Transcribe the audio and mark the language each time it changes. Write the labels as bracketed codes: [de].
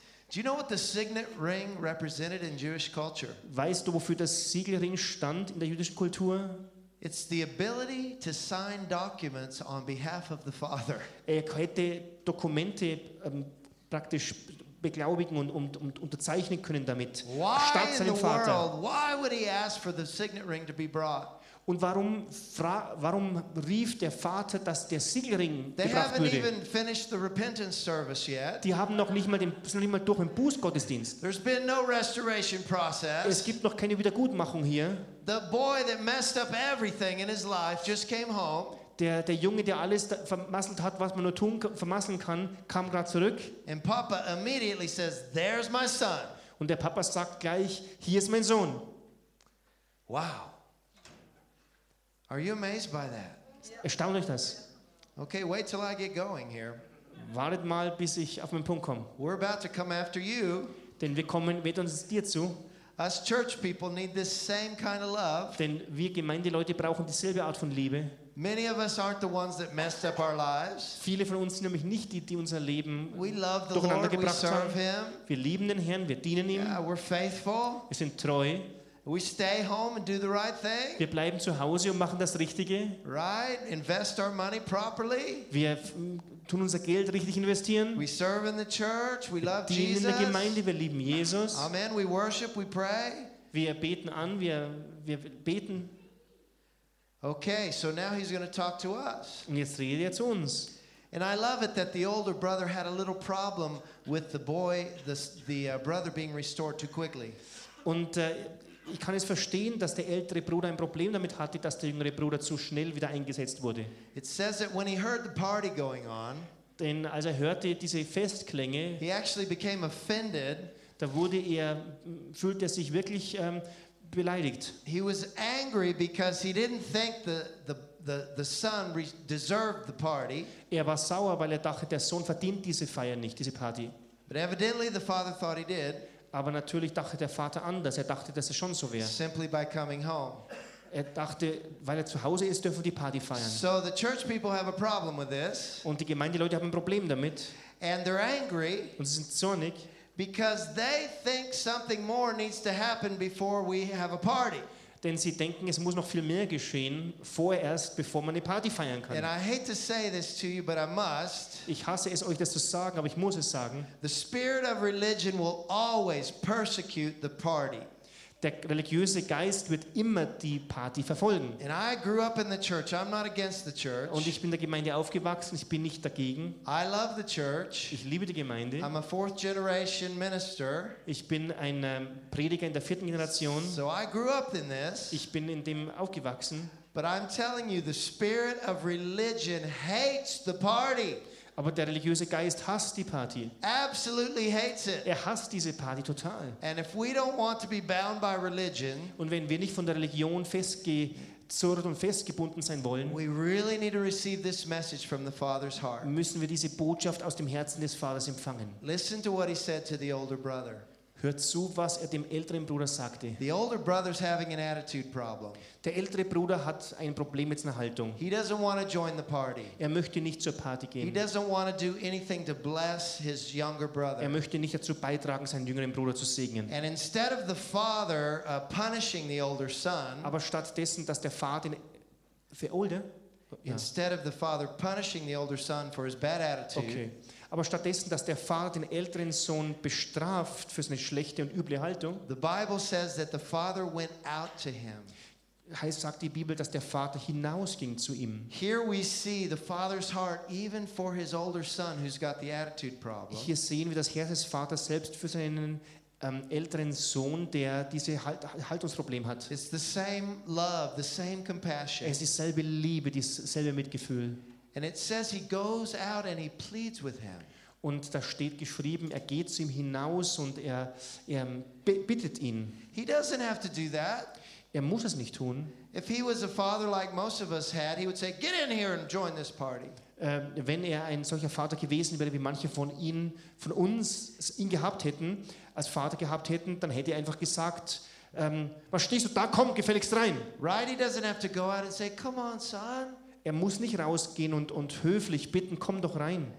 [en] Do you know what the signet ring represented in Jewish culture? [de] Weißt du, wofür das Siegelring stand in der jüdischen Kultur? [en] It's the ability to sign documents on behalf of the father. [de] Er hätte Dokumente praktisch beglaubigen und unterzeichnen können damit. [en] Why [de] statt seinem [en] in the [de] Vater. [en] World, why would he ask for the signet ring to be brought? [de] Und warum rief der Vater, dass der Siegelring [en] they [de] gebracht würde? [en] They haven't even finished the repentance service yet. [de] Die haben noch nicht mal durch den Bußgottesdienst. [en] There's been no restoration process. [de] Es gibt noch keine Wiedergutmachung hier. [en] The boy that messed up everything in his life just came home. [de] Der Junge, der alles vermasselt hat, was man nur tun vermasseln kann, kam gerade zurück. [en] And Papa immediately says, "There's my son." [de] Und der Papa sagt gleich, hier ist mein Sohn. [en] Wow. Are you amazed by that? [de] Erstaunt euch das? [en] Okay, wait till I get going here. [de] Wartet mal, bis ich auf meinen Punkt komme. [en] We're about to come after you. [de] Denn wir kommen mit uns dir zu. [en] Us church people need this same kind of love. [de] Denn wir Gemeindeleute brauchen dieselbe Art von Liebe. [en] Many of us aren't the ones that messed up our lives. [de] Viele von uns sind nämlich nicht die unser Leben durcheinander gebracht haben. [en] We love the Lord. [de] Wir lieben den Herrn, wir dienen ihm. [en] Yeah, we're faithful. [de] Wir sind treu. [en] We stay home and do the right thing. [de] Wir bleiben zu Hause und machen das Richtige. [en] Right, invest our money properly. [de] Wir tun unser Geld richtig investieren. [en] We serve in the church. We love [de] Jesus. Wir dienen in der Gemeinde. Wir lieben Jesus. [en] Amen. We worship. We pray. [de] Wir beten an. Wir beten. [en] Okay, so now he's going to talk to us. [de] Und jetzt redet er zu uns. [en] And I love it that the older brother had a little problem with the boy, the brother being restored too quickly. [de] Und ich kann es verstehen, dass der ältere Bruder ein Problem damit hatte, dass der jüngere Bruder zu schnell wieder eingesetzt wurde. [en] It says that when he heard the party going on, [de] denn als er hörte diese Festklänge, [en] he actually became offended, [de] da fühlte er sich wirklich beleidigt. [en] He was angry because he didn't think the son deserved the party. [de] Er war sauer, weil er dachte, der Sohn verdient diese Feier nicht, diese Party. [en] But evidently the father thought he did. [de] Aber natürlich dachte der Vater anders. Er dachte, dass es schon so wäre. [en] Simply by coming home. [de] Er dachte, weil er zu Hause ist, dürfen wir die Party feiern. [en] So the church people have a problem with this. [de] Und die Gemeindeleute haben ein Problem damit. [en] And they're angry. [de] Und sie sind zornig. [en] Because they think something more needs to happen before we have a party. [de] Denn sie denken, es muss noch viel mehr geschehen, vorerst, bevor man eine Party feiern kann. [en] And I hate to say this to you, but I must. [de] Ich hasse es, euch das zu sagen, aber ich muss es sagen. [en] The spirit of religion will always persecute the party. [de] Der religiöse Geist wird immer die Party verfolgen. [en] And I grew up in the church. I'm not against the church. [de] Und ich bin der Gemeinde aufgewachsen. Ich bin nicht dagegen. [en] I love the church. [de] Ich liebe die Gemeinde. [en] I'm a fourth generation minister. [de] Ich bin ein Prediger in der vierten Generation. [en] So I grew up in this. [de] Ich bin in dem aufgewachsen. [en] But I'm telling you, the spirit of religion hates the party. [de] Aber der religiöse Geist hasst die Party. [en] Absolutely hates it. [de] Er hasst diese Party total. [en] And if we don't want to be bound by religion, [de] und wenn wir nicht von der Religion festgezurrt und festgebunden sein wollen, [en] we really need to receive this message from the Father's heart. [de] Müssen wir diese Botschaft aus dem Herzen des Vaters empfangen. [en] Listen to what he said to the older brother. [de] Hört zu, was er dem älteren Bruder sagte. [en] The older brother's having an attitude problem. [de] Der ältere Bruder hat ein Problem mit seiner Haltung. [en] He doesn't want to join the party. [de] Er möchte nicht zur Party gehen. [en] He doesn't want to do anything to bless his younger brother. [de] Er möchte nicht dazu beitragen, seinen jüngeren Bruder zu segnen. [en] And instead of the father punishing the older son, [de] aber stattdessen, dass der Vater den älteren, [en] instead of the father punishing the older son for his bad attitude, okay. [de] Aber stattdessen, dass der Vater den älteren Sohn bestraft für seine schlechte und üble Haltung, [en] the Bible says that the father went out to him. [de] Heißt, sagt die Bibel, dass der Vater hinausging zu ihm. [en] Here we see the father's heart even for his older son who's got the attitude problem. [de] Hier sehen wir das Herz des Vaters selbst für seinen älteren Sohn, der diese Haltungsproblem hat. [en] It's the same love, the same compassion. [de] Es ist dieselbe Liebe, dieselbe Mitgefühl. [en] And it says he goes out and he pleads with him. [de] Und da steht geschrieben, er geht zu ihm hinaus und er bittet ihn. [en] He doesn't have to do that. [de] Er muss es nicht tun. [en] If he was a father like most of us had, he would say, get in here and join this party. [de] Wenn er ein solcher Vater gewesen wäre, wie manche von uns ihn als Vater gehabt hätten, dann hätte er einfach gesagt, was stehst du da, komm gefälligst rein. [en] Right, he doesn't have to go out and say, come on, son. [de] Er muss nicht rausgehen und höflich bitten, komm doch rein.